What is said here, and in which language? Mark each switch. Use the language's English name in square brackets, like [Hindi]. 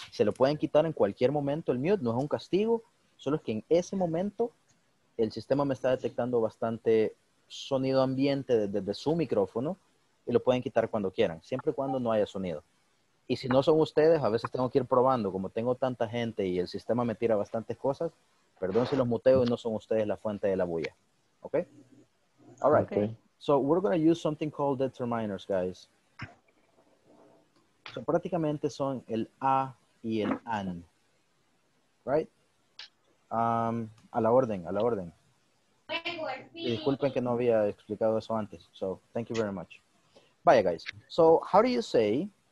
[Spanish] Se lo pueden quitar en cualquier momento el mute. No es un castigo. Solo es que en ese momento el sistema me está detectando bastante sonido ambiente desde su micrófono. Y lo pueden quitar cuando quieran. Siempre y cuando no haya sonido. Y si no son ustedes, a veces tengo que ir probando. Como tengo tanta gente y el sistema me tira bastantes cosas. Perdón si los muteo y no son ustedes la fuente de la bulla. [English] ¿Ok? All right, okay. So we're going to use something called determiners, guys. [Spanish] So prácticamente son el a y el an, right? A la orden. Y disculpen que no había explicado eso antes. [English] So thank you very much. Vaya, guys. So how do you say